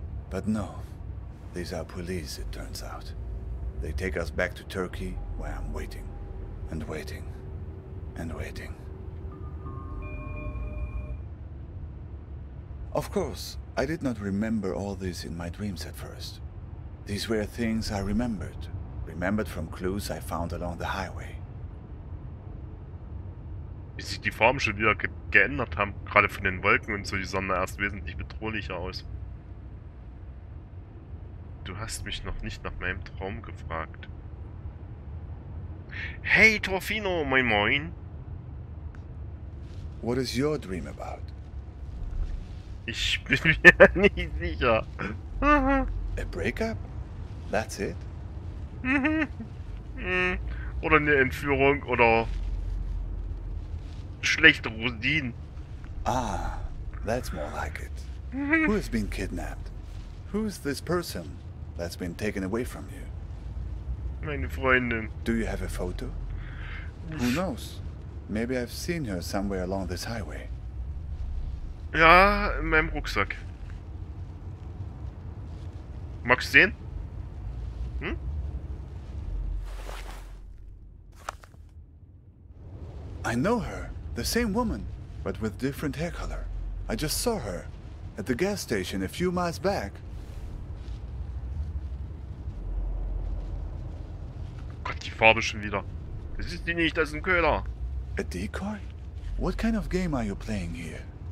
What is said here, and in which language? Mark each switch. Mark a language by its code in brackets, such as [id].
[en] But no, these are police, it turns out. They take us back to Turkey, where I'm waiting and waiting and waiting. Of course, I did not remember all this in my dreams at first. These were things I remembered. Remembered from clues I found along the highway. [de] Wie sich die Farben schon wieder geändert haben, gerade von den Wolken und so, die Sonne erst wesentlich bedrohlicher aus. du hast mich noch nicht nach meinem Traum gefragt. Hey, Torfino, moin moin! [en] What is your dream about? [de] Ich bin mir nicht sicher. [en] A breakup? That's it? [de] Oder eine Entführung oder schlechte Rosinen. [en] Ah, that's more like it. Who has been kidnapped? Who's this person that's been taken away from you? [de] Meine Freundin. [en] Do you have a photo? Who knows? Maybe I've seen her somewhere along this highway. [de] Ja, in meinem Rucksack. Magst du sehen? Hm? [en] I know her. The same woman, but with different hair color. I just saw her at the gas station a few miles back. [de] Gott, die Farbe schon wieder. Das ist die nicht, das ist ein Köder. [en] A decoy? What kind of game are you playing here?